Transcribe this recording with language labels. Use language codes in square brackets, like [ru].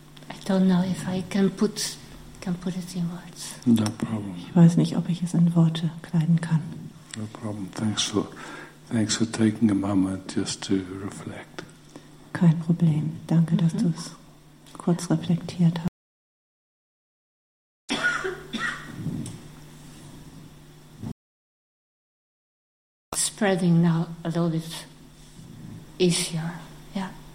[en] I don't know if I can put it in words. No problem. [de] Ich weiß nicht, ob ich es in Worte kleiden kann. [en] No problem. Thanks for taking a moment just to reflect. [de] Kein Problem. Danke, dass du es kurz reflektiert hast. [en] Spreading now a little bit easier, yeah.